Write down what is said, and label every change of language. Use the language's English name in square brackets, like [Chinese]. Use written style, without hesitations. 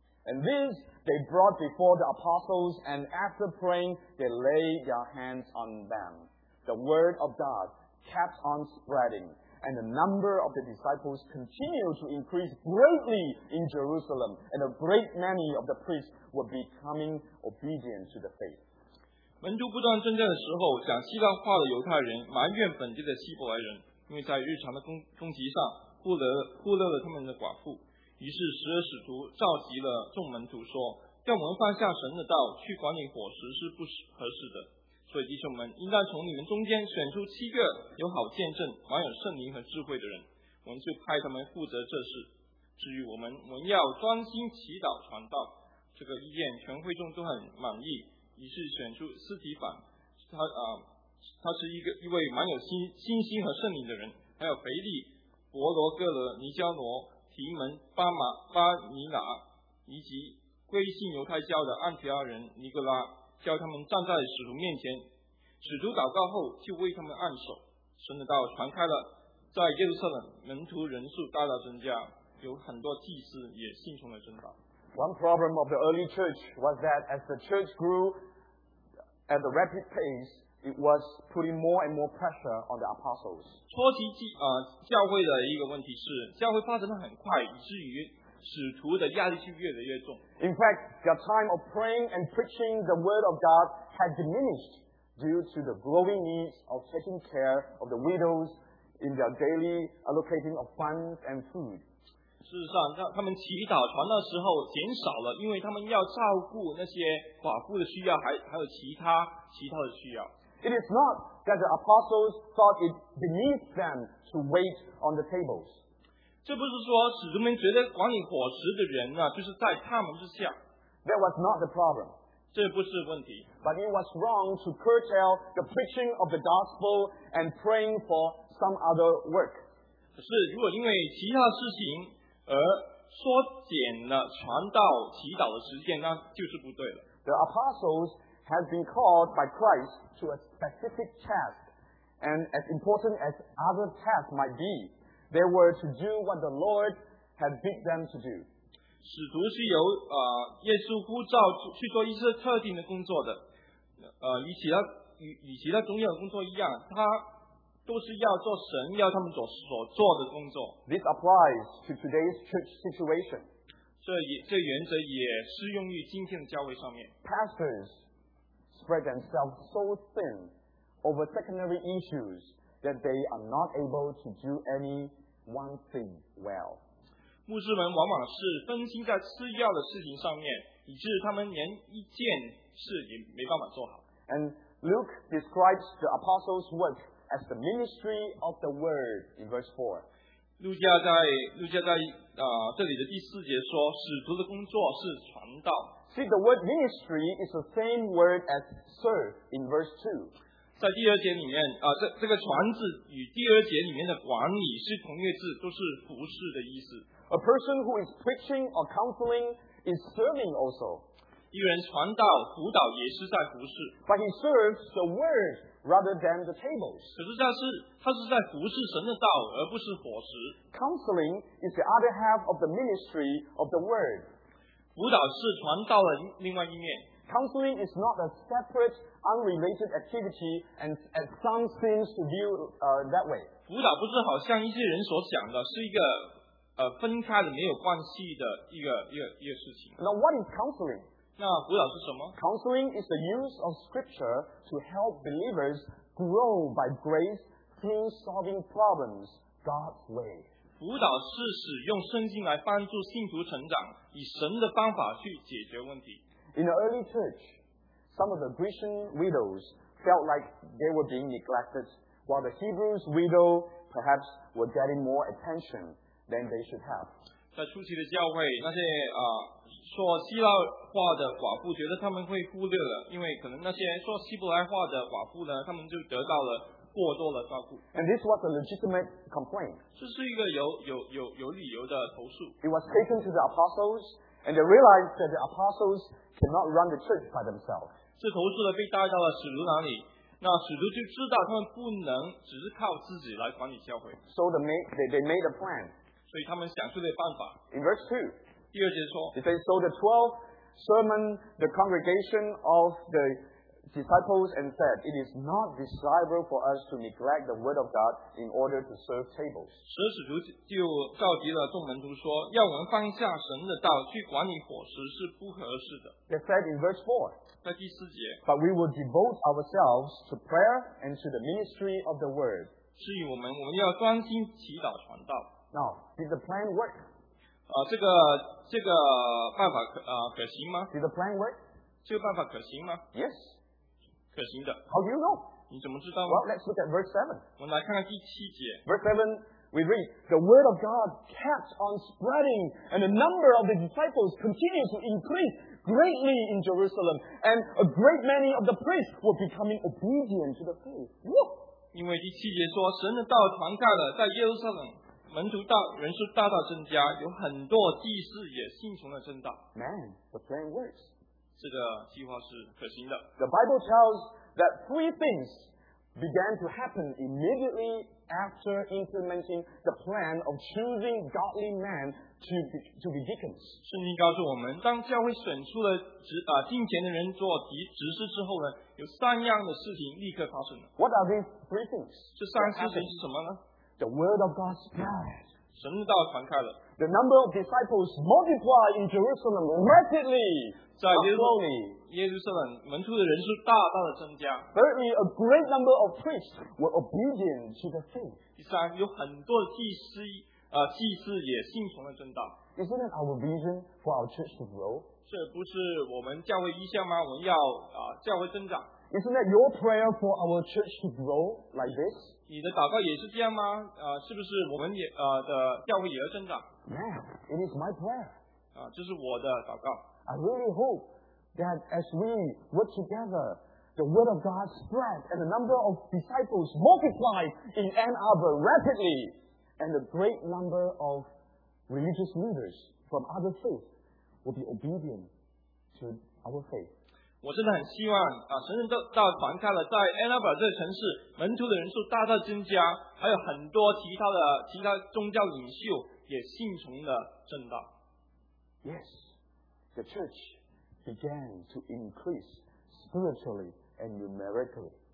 [English] And these they brought before the apostles, and after praying, they laid their hands on them. The word of God kept on spreading, and the number of the disciples continued to increase greatly in Jerusalem, and a great many of the priests were becoming obedient to the faith. [Chinese] 门徒不断增加的时候，讲希腊话的犹太人埋怨本地的希伯来人。因为在日常的攻击上忽略了他们的寡妇，于是十二使徒召集了众门徒说，叫我们放下神的道去管理伙食是不合适的，所所以弟兄们，应当从你们中间选出七个有好见证、满有圣灵和智慧的人，我们就派他们负责这事。至于我们要专心祈祷传道。这个意见全会众都很满意，于是选出斯提凡，他是一位蛮有信心和圣灵的人，还有腓力、伯罗哥勒、尼加罗、提门、巴尼拿，以及归信犹太教的安提阿人尼格拉，叫他们站在使徒面前。使徒祷告后，就为他们按手，神的道传开了，在耶路撒冷门徒人数大大增加，有很多祭司也信从了真道。 [English] One problem of the early church was that as the church grew at a rapid pace, it was putting more and more pressure on the apostles. [Chinese] 初期教会的一个问题是，教会发展得很快，以至于使徒的压力是越来越重。 [English] In fact, the time of praying and preaching the word of God had diminished due to the growing needs of taking care of the widows in their daily allocating of funds and food. [Chinese] 事实上，他们祈祷传道的时候减少了，因为他们要照顾那些寡妇的需要，还有其他的需要。 [English] It is not that the apostles thought it beneath them to wait on the tables. [Chinese] 这不是说使徒们觉得管理伙食的人啊，就是在他们之下。 [English] That was not the problem. [Chinese] 这不是问题。 [English] But it was wrong to curtail the preaching of the gospel and praying for some other work. [Chinese] 可是如果因为其他事情而缩减了传道祈祷的时间，那就是不对了。 [English] The apostles have been called by Christ to a specific task, and as important as other tasks might be, they were to do what the Lord had bid them to do. [Chinese] 使徒是由耶稣呼召去做一些特定的工作的，与其他重要的工作一样，他都是要做神要他们所做的工作。 [English] This applies to today's church situation. [Chinese] 这原则也适用于今天的教会上面。 [English] Pastors spread themselves so thin over secondary issues that they are not able to do any one thing well. [Chinese] 牧师们往往是分心在次要的事情上面，以致他们连一件事也没办法做好。 [English] And Luke describes the apostles' work as the ministry of the word in verse 4. [Chinese] 路加在这里的第四节说，使徒的工作是传道。 [English] See, the word ministry is the same word as serve in verse 2. [Chinese] 在第二节里面，这个传字与第二节里面的管理是同一个字，都是服事的意思。 [English] A person who is preaching or counseling is serving also. [Chinese] 一人传道、辅导也是在服事。 [English] But he serves the word rather than the tables. [Chinese] 可是他是在服事神的道，而不是伙食。 [English] Counseling is the other half of the ministry of the word. [Chinese] 辅导是传道的另外一面。 [English] Counseling is not a separate, unrelated activity, and as some seems to view that way. [Chinese] 辅导不是好像一些人所想的，是一个分开的、没有关系的一个事情。 [English] Now, what is counseling? [Chinese] 那辅导是什么？ [English] Counseling is the use of Scripture to help believers grow by grace through solving problems God's way. [Chinese] 辅导是使用圣经来帮助信徒成长，以神的方法去解决问题。 [English] In the early church, some of the Grecian widows felt like they were being neglected, while the Hebrews widow perhaps were getting more attention than they should have. [Chinese] 在初期的教会，那些说希腊话的寡妇觉得他们会忽略了，因为可能那些说希伯来话的寡妇呢，他们就得到了过多的照顾。 [English] And this was a legitimate complaint. [Chinese] 这是一个有理由的投诉。 [English] It was taken to the apostles. And they realized that the apostles cannot run the church by themselves. [Chinese] 是投诉的被带到了使徒那里，那使徒就知道他们不能只是靠自己来管理教会。 [English] So they made a plan. [Chinese] 所以他们想出了办法。 [English] In verse 2, [Chinese] 第二节说， [English] it says, So the 12 summoned the congregation of the disciples and said, It is not desirable for us to neglect the word of God in order to serve tables. [Chinese] 使徒就召集了众门徒说，要我们放下神的道去管理伙食是不合适的。 [English] They said in verse 4, [Chinese] 在第四节， [English] But we will devote ourselves to prayer and to the ministry of the word. [Chinese] 至于我们要专心祈祷传道。 [English] Now, did the plan work? [Chinese] 这个办法可行吗？ [English] Did the plan work? [Chinese] 这个办法可行吗？ [English] Yes. [Chinese] 可行的。 [English] How do you know? [Chinese] 你怎么知道呢? [English] Well, let's look at verse 7. [Chinese] 我们来看看第七节。 [English] Verse 7, we read, the word of God kept on spreading, and the number of the disciples continued to increase greatly in Jerusalem, and a great many of the priests were becoming obedient to the faith. Woo! [Chinese] 因为第七节说，神的道传开了，在耶路撒冷。门徒大人数大大增加，有很多祭司也信从了正道。 [English] Man, the plan works. [Chinese] 这个计划是可行的。 [English] The Bible tells that three things began to happen immediately after implementing the plan of choosing godly men to be deacons. [Chinese] 圣经告诉我们，当教会选出了敬虔的人做执事之后呢，有三样的事情立刻发生了。 [English] What are these three things? [Chinese] 这三事情是什么呢？ [English] The word of God spread. [Chinese] 神的道传开了。 [English] The number of disciples multiplied in Jerusalem rapidly. [Chinese] 在耶路撒冷，门徒的人数大大的增加。 [English] Thirdly, a great number of priests were obedient to the faith. [Chinese] 第三，有很多的祭司也信从了正道。 [English] Isn't it our vision for our church to grow? [Chinese] 这不是我们教会意向吗？我们要教会增长。 [English] Isn't that your prayer for our church to grow like this? [Chinese] 你的祷告也是这样吗？是不是我们也的教会也要增长？ [English] Yeah, it is my prayer. [Chinese] 这是我的祷告。 [English] I really hope that as we work together, the word of God spread and the number of disciples multiplied in Ann Arbor rapidly, and a great number of religious leaders from other faiths will be obedient to our faith. [Chinese] 我真的很希望神人道传开了，在 Ann Arbor 这个城市，门徒的人数大大增加，还有很多其他宗教领袖也信从了正道。 [English] Yes, the church began to increase spiritually and numerically.